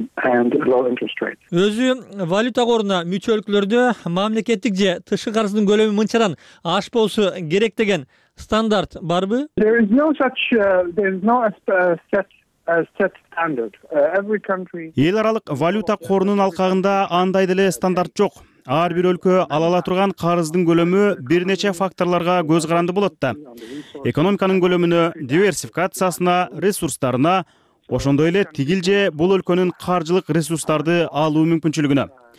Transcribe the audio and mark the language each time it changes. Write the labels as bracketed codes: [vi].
[ky] Өзү валюта коруна мүчө өлкөлөрдө мамлекеттик же тышкы карыздын көлөмү мынчадан ашпоосу керек деген стандарт барбы? [en] There is no set standard. [ky] Эл аралык валюта корунун алкагында андай деле стандарт жок. Ар бир өлкө ала ала турган карыздын көлөмү бир нече факторлорго көз каранды болот да. Экономиканын көлөмүнө, диверсификациясына, ресурстарына, ошондой эле тигил же бул өлкөнүн каржылык ресурстарды алуу мүмкүнчүлүгүнө.